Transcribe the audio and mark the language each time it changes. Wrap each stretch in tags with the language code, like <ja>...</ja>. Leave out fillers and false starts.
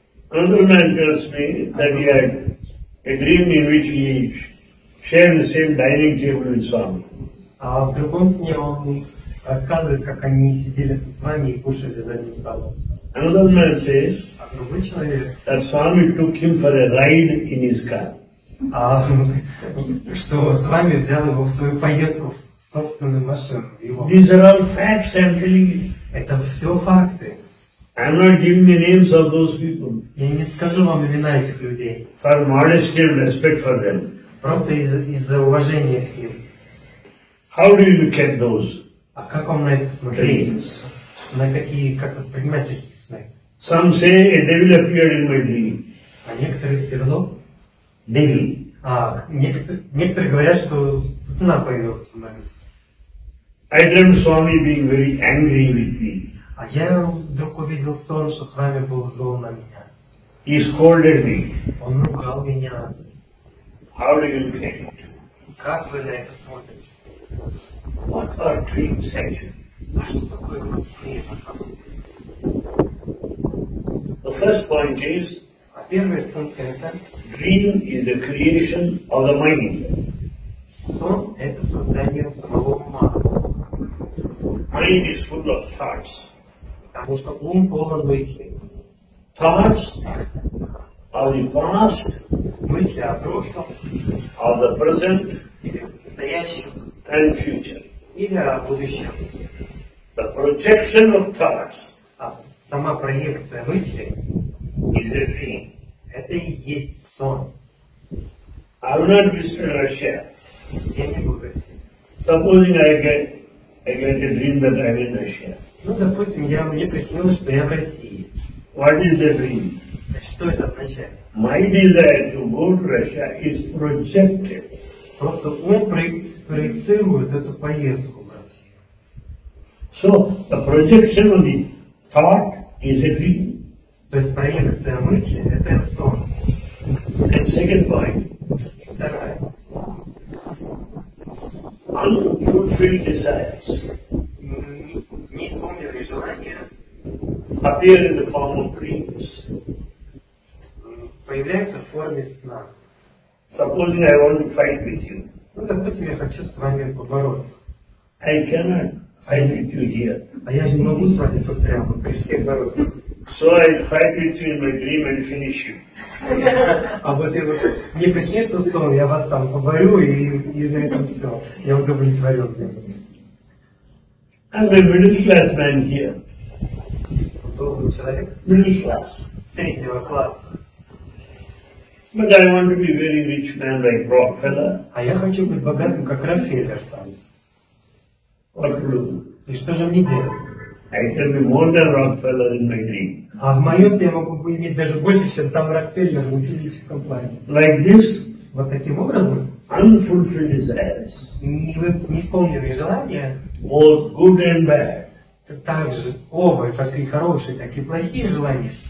<en>Another man tells me that he had a dream in which he shared the same dining table with Swami.</en> <ru>А в другом сне он рассказывает, как они сидели со Свами и кушали за одним столом.</ru> <en>Another man says that Swami took him for a ride in his car.</en> <ru>А что Свами взял его в свою поездку в собственную машину.</ru> <en>These are all facts, I'm telling you.</en> <ru>Это все факты.</ru> <en>I'm not giving the names of those people.</en> <ru>Я не скажу вам имена этих людей.</ru> <en>For modesty and respect for them.</en> <ru>Просто из-за уважения к ним.</ru> <en>How do you look at those?</en> <ru>А как вам на это смотреть? На какие, как воспринимать эти сны?</ru> <en>Some say a devil appeared in my dream.</en> <ru>А некоторые перло?</ru> <en>Devil.</en> <ru>А некоторые говорят, что сатана появился в моем сне.</ru> <en>I dream Swami being very angry with me.</en> <ru>А я вдруг увидел сон, что с вами был зол на меня.</ru> <en>He scolded me.</en> <ru>Он ругал меня.</ru> <en>How do you look at it?</en> <ru>Как вы на это смотрите?</ru> <en>What are dreams actually?</en> <ru>А что такое сны?</ru> <en>The first point is.</en> <ru>А первый пункт это.</ru> <en>Dream is the creation of the mind.</en> <ru>Сон это создание самого ума.</ru> <en>Mind is full of thoughts.</en> <ru>Потому что ум полон мыслей.</ru> <en>Thoughts are the past.</en> <ru>Мысли о прошлом.</ru> <en>Are the present.</en> <ru>Или настоящем.</ru> <en>And future.</en> <ru>Или о будущем.</ru> <en>The projection of thoughts.</en> <ru>А сама проекция мыслей.</ru> <en>Is a dream.</en> <ru>Это и есть сон.</ru> <en>I will not be in Russia.</en> <ru>Я не буду в России.</ru> <en>Supposing I get a dream that I'm in Russia.</en> <ru>Ну, допустим, мне приснилось, что я в России.</ru> <en>What is the dream?</en> <ru>Что это означает?</ru> <en>My desire to go to Russia is projected.</en> <ru>Просто он проецирует эту поездку в Россию.</ru> <en>So, the projection of the thought is a dream.</en> <ru>То есть проекция мысли – это сон.</ru> <en>And second point.</en> <ru>Вторая.</ru> <en>Unfulfilled desires.</en> <ru>Неисполненные желания.</ru> <en>Appear in the form of dreams.</en> <ru>Появляются в форме сна.</ru> <en>Supposing I want to fight with you.</en> <ru>Ну, допустим, я хочу с вами побороться.</ru> <en>I cannot fight with you here.</en> <ru>А я же не могу с вами тут прямо при всех бороться. So I fight with you in my dream and finish you. А вот я вот, мне приснится сон, я вас там поборю и на этом все. Я удовлетворен.</ru> <en>I'm a middle class man here.</en> <ru>Долгий человек?</ru> <en>Middle class.</en> <ru>Среднего класса.</ru> <en>But I want to be very rich man like Rockefeller.</en> <ru>А я хочу быть богатым, как Рокфеллер сам.</ru> <en>What to do?</en> <ru>И что же мне делать?</ru> <en>I can be more than Rockefeller in my dream.</en> <ru>А в моем я могу иметь даже больше, чем сам Рокфеллер в физическом плане.</ru> <en>Like this?</en> <ru>Вот таким образом?</ru> <en>Unfulfilled desires.</en> <ru>Неисполненные желания?</ru> <en>Both good and bad.</en> <ru>Так же, оба, как и хорошие, так и плохие желания.</ru>